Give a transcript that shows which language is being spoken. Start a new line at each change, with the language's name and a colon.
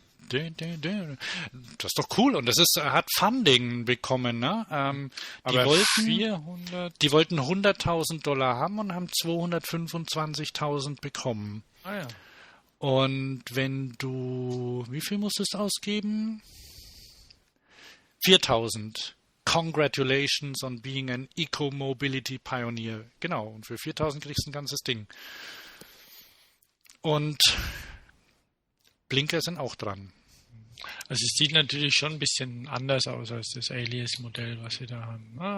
German: Das ist doch cool und hat Funding bekommen, ne? Die Aber wollten 400. 100.000 Dollar haben und haben 225.000 bekommen. Ah ja. Und wenn du, wie viel musstest du ausgeben? 4.000.
English: Congratulations on being an Eco-Mobility Pioneer.
German: Genau, und für 4.000 kriegst du ein ganzes Ding. Und Blinker sind auch dran. Also es sieht natürlich schon ein bisschen anders aus als das Alias-Modell, was sie da haben.